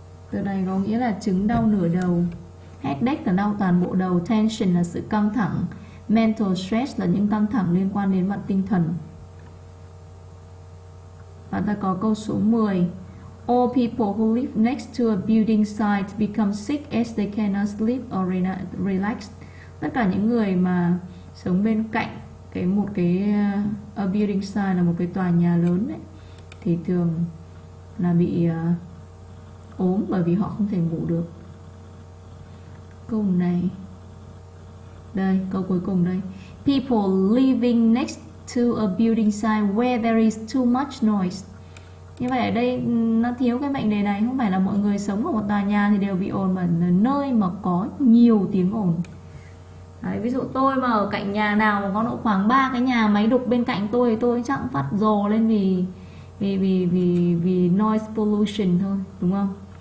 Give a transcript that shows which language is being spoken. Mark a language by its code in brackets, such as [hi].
[vi] Từ này có nghĩa là chứng đau nửa đầu. Headache là đau toàn bộ đầu. Tension là sự căng thẳng. Mental stress là những căng thẳng liên quan đến mặt tinh thần. Và ta có câu số 10. [en] All people who live next to a building site become sick as they cannot sleep or relax. [vi] Tất cả những người mà sống bên cạnh cái một cái a building site là một cái tòa nhà lớn ấy, thì thường là bị ốm bởi vì họ không thể ngủ được. Câu này Đây, câu cuối cùng đây. [en] People living next to a building site where there is too much noise. [vi] Như vậy ở đây nó thiếu cái mệnh đề này. Không phải là mọi người sống ở một tòa nhà thì đều bị ồn, mà là nơi mà có nhiều tiếng ồn. Đấy, ví dụ tôi mà ở cạnh nhà nào mà có độ khoảng 3 cái nhà máy đục bên cạnh tôi thì tôi chẳng phát rồ lên vì noise pollution thôi, đúng không?